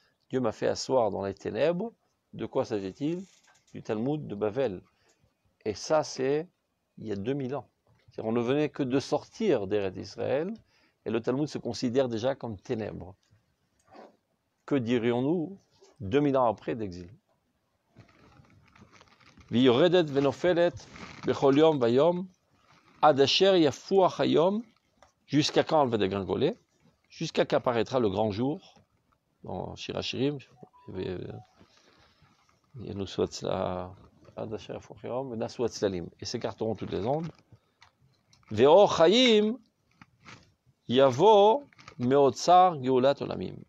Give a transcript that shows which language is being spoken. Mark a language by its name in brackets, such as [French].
[French] Dieu m'a fait asseoir dans les ténèbres. De quoi s'agit-il? Du Talmud de Bavel. Et ça, c'est il y a 2000 ans. C'est-à-dire, on ne venait que de sortir d'Eret Israël et le Talmud se considère déjà comme ténèbres. Que dirions-nous 2000 ans après d'exil? [Hebrew] ויורדת ונופלת בכל יום ויום עד אשר יפוח היום [French] Jusqu'à quand elle va dégringoler? Jusqu'à qu'apparaîtra le grand jour, dans Shir HaShirim. Et nous souhaite cela. Et s'écarteront toutes les ondes. [Hebrew] Veo chayim yavo meotzar geulat olamim.